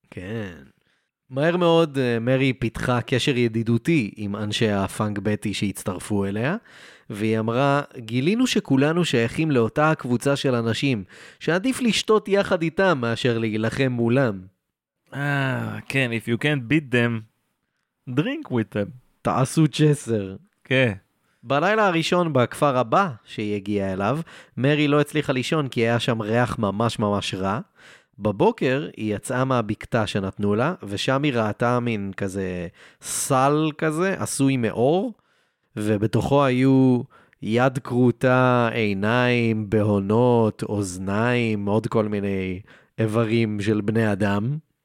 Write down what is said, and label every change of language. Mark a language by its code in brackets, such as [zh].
[he] כן. מהר מאוד מרי פיתחה קשר ידידותי עם אנשי הפאנג בטי שהצטרפו אליה, והיא אמרה, גילינו שכולנו שייכים לאותה הקבוצה של אנשים, שעדיף לשתות יחד איתם מאשר להילחם מולם. [en] כן, if you can't beat them, drink with them. [he] תעשו צ'סר. כן. בלילה הראשון בכפר הבא שהיא הגיעה אליו, מרי לא הצליחה לישון כי היה שם ריח ממש ממש רע. בבוקר היא יצאה מהבקתה שנתנו לה, ושם היא ראתה מין כזה סל כזה, עשוי מאור, ובתוכו היו יד קרוטה, עיניים, בהונות, אוזניים, עוד כל מיני איברים של בני אדם.